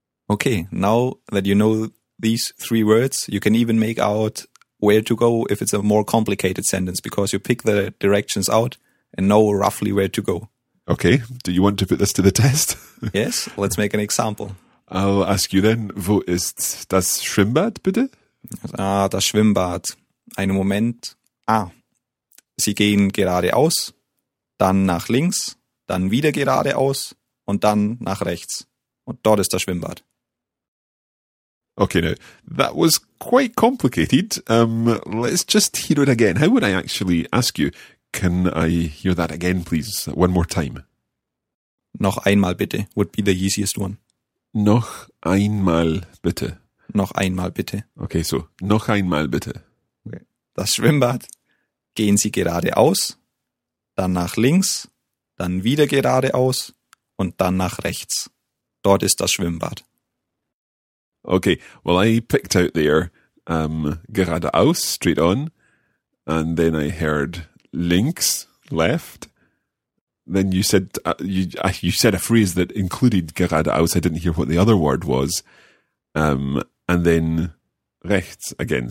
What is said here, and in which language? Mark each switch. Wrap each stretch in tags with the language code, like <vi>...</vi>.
<en>Okay, now that you know these three words, you can even make out where to go if it's a more complicated sentence, because you pick the directions out and know roughly where to go. Okay, do you want to put this to the test? Yes, let's make an example. I'll ask you then,</en> <de>wo ist das Schwimmbad, bitte? Ah, das Schwimmbad. Einen Moment. Ah, Sie gehen geradeaus, dann nach links, dann wieder geradeaus und dann nach rechts. Und dort ist das Schwimmbad.</de> <en>Okay, now, that was quite complicated. Let's just hear it again. How would I actually ask you? Can I hear that again, please? One more time.</en> <de>Noch einmal bitte</de> <en>would be the easiest one.</en> <de>Noch einmal bitte. Noch einmal bitte. Okay, so noch einmal bitte. Okay. Das Schwimmbad. Gehen Sie geradeaus, dann nach links, dann wieder geradeaus und dann nach rechts. Dort ist das Schwimmbad.</de> <en>Okay, well, I picked out there geradeaus, straight on, and then I heard links, left. Then you said a phrase that included geradeaus. I didn't hear what the other word was. And then rechts again.</en>